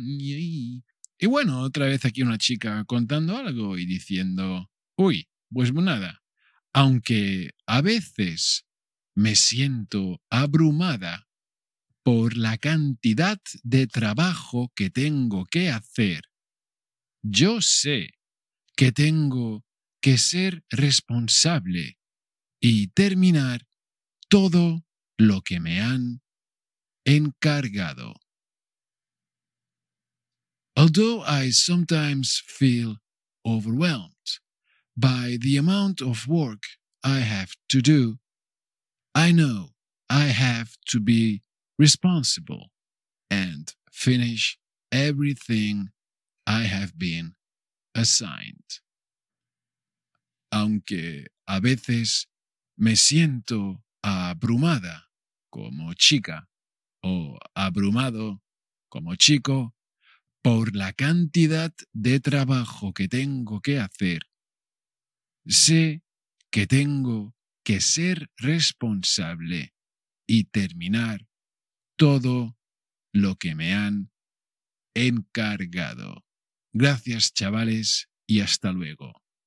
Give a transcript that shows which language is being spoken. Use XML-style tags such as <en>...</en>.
<es>Y bueno, otra vez aquí una chica contando algo y diciendo, uy, pues nada, aunque a veces me siento abrumada por la cantidad de trabajo que tengo que hacer, yo sé que tengo que ser responsable y terminar todo lo que me han encargado.</es> <en>Although I sometimes feel overwhelmed by the amount of work I have to do, I know I have to be responsible and finish everything I have been assigned.</en> <es>Aunque a veces me siento abrumada como chica o abrumado como chico, por la cantidad de trabajo que tengo que hacer, sé que tengo que ser responsable y terminar todo lo que me han encargado. Gracias, chavales, y hasta luego.</es>